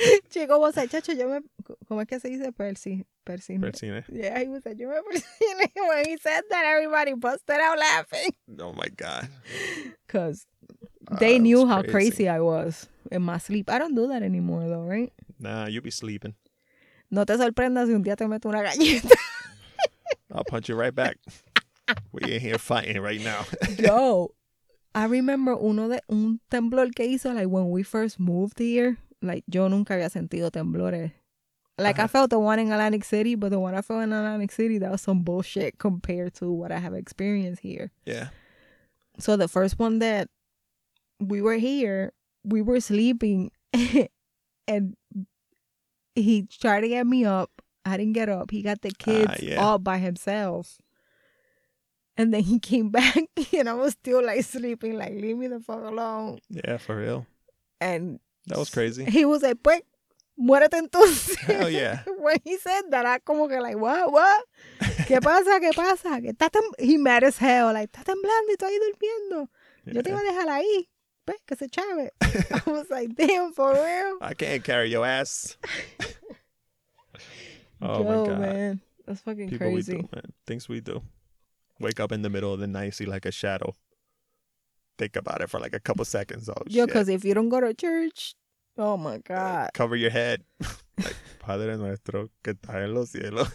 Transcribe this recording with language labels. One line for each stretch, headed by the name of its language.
English: Chico was like,
Spanish: chacho, yo me... ¿Cómo es que se dice? Persine.
English: Yeah, he was like,
Spanish: yo me persine.
English: When he said that, everybody busted out laughing. Oh, my God. Because they knew how crazy I was in my sleep. I don't do that anymore, though, right? Nah, you be sleeping.
Spanish: No te sorprendas si un día te meto una galleta.
English: I'll punch you right back. We in here fighting right now. Yo, I remember
Spanish: un temblor que hizo,
English: like, when we first moved here.
Spanish: Like, yo nunca había sentido temblores.
English: Like, I felt the one in Atlantic City, but the one I felt in Atlantic City, that was some bullshit compared to what I have experienced here. Yeah. So, the first one that we were here, we were sleeping, and he tried to get me up. I didn't get up. He got the kids all by himself. And then he came back, and I was still, like, sleeping, like, leave me the fuck alone. Yeah, for real. And... That was crazy. He was like,
Spanish: pues, muérete entonces.
English: Hell yeah. When he said that, I
Spanish: como que
English: like, what?
Spanish: ¿Qué pasa? ¿Qué pasa?
English: He mad as hell.
Spanish: Like, está temblando y estoy durmiendo. Yo te iba a dejar ahí. Pues, que se chave.
English: I was like, damn, for real? I can't carry your ass. Oh, yo, my God. Man. That's fucking people crazy. People we do, man. Things we do. Wake up in the middle of the night, see like a shadow. Think about it for like a couple seconds. Oh, yeah, because if you don't go to church, oh my God. Cover your head.
Spanish: Like, Padre nuestro, que está en los cielos.